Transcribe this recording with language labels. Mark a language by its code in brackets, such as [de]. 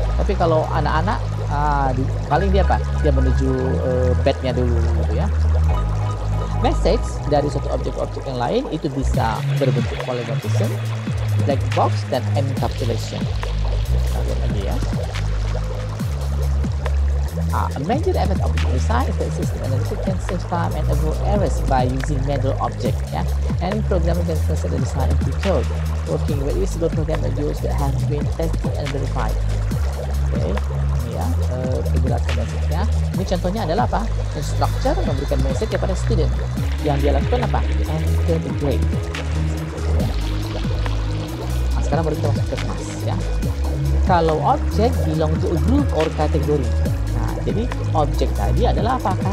[id] Tapi kalau anak-anak, paling dia apa? Dia menuju bednya dulu gitu ya. Message dari suatu objek-objek yang lain itu bisa berbentuk polymorphism, black box, dan encapsulation. Lihat lagi ya. [en] A major effect of the design is that system analysis can save time and avoid errors by using manual object. [id] Ya. [en] And programming can consider the design of the code, working with usable program modules that have been tested and verified. [id] Okay. Penjelasan message-nya. Ini contohnya adalah apa? Instructor memberikan message kepada student. Yang dia lakukan apa? [en] Enter the grade. [id] Nah, sekarang baru kita masuk ke kelas ya. [en] Kalau object belong to a group or category. [id] Nah, jadi object tadi adalah apa?